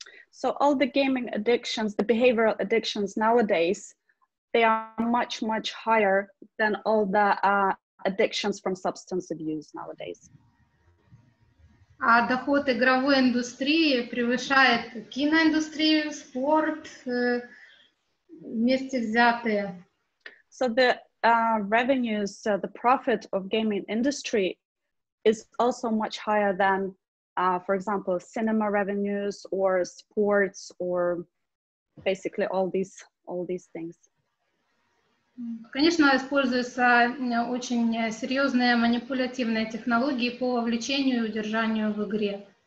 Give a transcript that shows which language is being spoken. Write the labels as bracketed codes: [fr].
[en] So all the gaming addictions, the behavioral addictions nowadays, they are much, much higher than all the addictions from substance abuse nowadays. [ru] А доход игровой индустрии превышает киноиндустрию, спорт, вместе взятые. [en] So the revenues, the profit of gaming industry is also much higher than, for example, cinema revenues or sports or basically all these things. [ru] Конечно, используются очень серьезные манипулятивные технологии по вовлечению и удержанию в игре.